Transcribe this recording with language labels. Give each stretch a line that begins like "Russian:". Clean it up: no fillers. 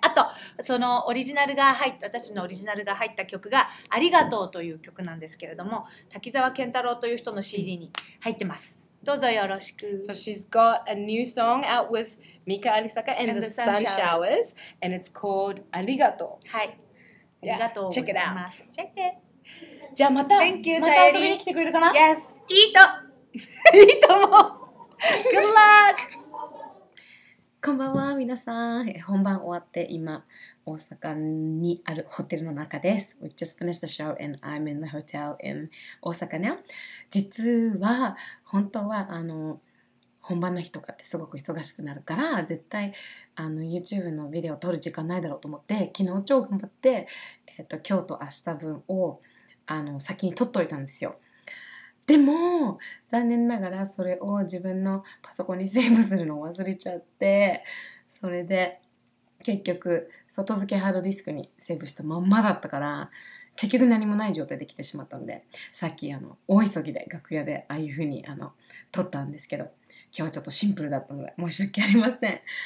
Japanese: あとそのオリジナルが入った私のオリジナルが入った曲がありがとうという曲なんですけれども、滝沢健太郎という人の CD に入ってます。どうぞよろしく。
English: So she's got a new song out with Mika Arisaka and the Sunshowers, and it's called Arigato.
Japanese: はい。ありがとう。
English: Check it out. Check it.
Japanese: じゃあまた。
English: Thank you, Sayuri.
Japanese: また遊びに来てくれるかな？ Yes. いいと。いいとも。
English: Good luck.
Japanese: こんばんは皆さん。本番終わって今大阪にあるホテルの中です。
English: We just finished the show and I'm in the hotel in 大阪ね。
Japanese: 実は本当は本番の日とかってすごく忙しくなるから絶対YouTube のビデオを撮る時間ないだろうと思って昨日超頑張って、今日と明日分を先に撮っておいたんですよ。でも残念ながらそれを自分のパソコンにセーブするのを忘れちゃってそれで結局外付けハードディスクにセーブしたまんまだったから結局何もない状態で来てしまったんでさっき大急ぎで楽屋でああいう風に撮ったんですけど今日はちょっとシンプルだったので申し訳ありません。